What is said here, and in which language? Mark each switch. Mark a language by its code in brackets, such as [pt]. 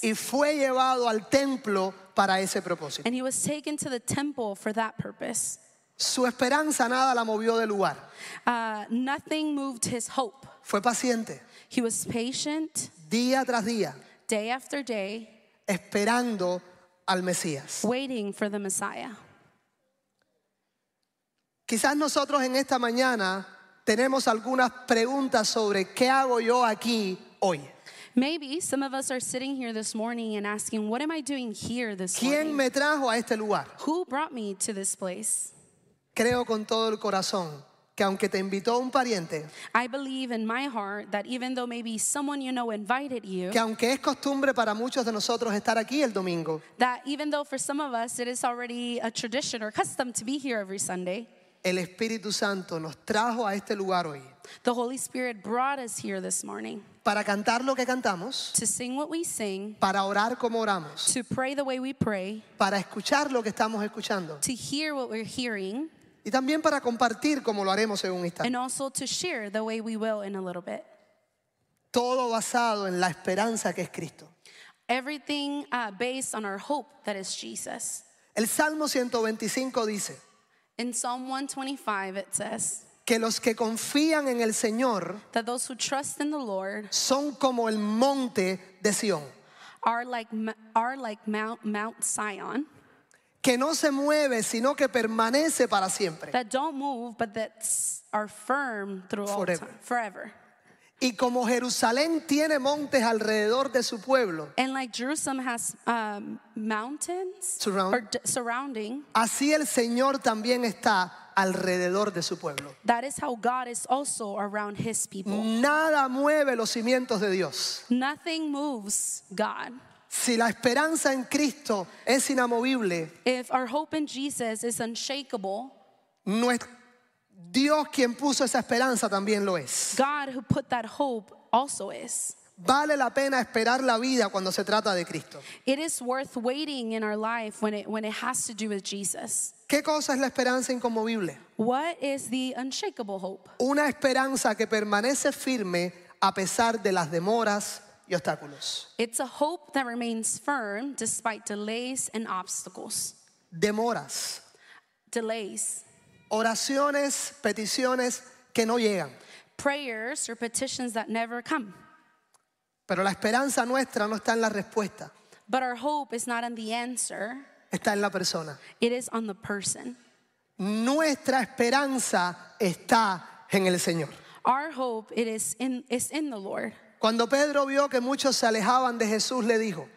[es] Y fue llevado al templo para ese propósito. [en] And he was taken to the temple for that purpose. [es] Su esperanza nada la movió de lugar. [en] Nothing moved his hope. [es] Fue paciente. [en] He was patient. [es] Día tras día. [en] Day after day. [es] Esperando al Mesías. [en] Waiting for the Messiah. [es] Quizás nosotros en esta mañana tenemos algunas preguntas sobre qué hago yo aquí hoy. [en] Maybe some of us are sitting here this morning and asking, what am I doing here this [es] ¿Quién [en] morning? [es] ¿Quién me trajo a este lugar? [en] Who brought me to this place? [es] Creo con todo el corazón que aunque te invitó un pariente, [en] I believe in my heart that even though maybe someone you know invited you, [es] que aunque es costumbre para muchos de nosotros estar aquí el domingo, [en] that even though for some of us it is already a tradition or custom to be here every Sunday, [es] el Espíritu Santo nos trajo a este lugar hoy. [en] The Holy Spirit brought us here this morning. [es] Para cantar lo que cantamos. [en] To sing what we sing. [es] Para orar como oramos. [en] To pray the way we pray. [es] Para escuchar lo que estamos escuchando. [en] To hear what we're hearing. [es] Y también para compartir como lo haremos en un instante. [en] And also to share the way we will in a little bit. [es] Todo basado en la esperanza que es Cristo. [en] Everything based on our hope that is Jesus. [es] El Salmo 125 dice. [en] In Psalm 125 it says. [es] Que los que confían en el Señor. [en] That those who trust in the Lord. [es] Son como el monte de Sion. [en] Are like Mount Zion. [es] Que no se mueve, sino que permanece para siempre. [en] That don't move, but that are firm through all time. Forever. [es] Y como Jerusalén tiene montes alrededor de su pueblo. [en] And like Jerusalem has mountains. Surrounding. [es] Así el Señor también está alrededor de su pueblo. [en] That is how God is also around his people. [es] Nada mueve los cimientos de Dios. [en] Nothing moves God. [es] Si la esperanza en Cristo es inamovible, [en] if our hope in Jesus is unshakable, [es] Dios quien puso esa esperanza también lo es. [en] God who put that hope also is. [es] Vale la pena esperar la vida cuando se trata de Cristo. [en] It is worth waiting in our life when it has to do with Jesus. [es] ¿Qué cosa es la esperanza inconmovible? [en] What is the unshakable hope? [es] Una esperanza que permanece firme a pesar de las demoras. [en] It's a hope that remains firm despite delays and obstacles. [es] Demoras. [en] Delays. [es] Oraciones, peticiones que no llegan. [en] Prayers or petitions that never come. [es] Pero la esperanza nuestra no está en la respuesta. [en] But our hope is not in the answer. [es] Está en la persona. [en] It is on the person. [es] Nuestra esperanza está en el Señor. [en] Our hope it is in the Lord. [es] Cuando Pedro vio que muchos se alejaban de Jesús, le dijo,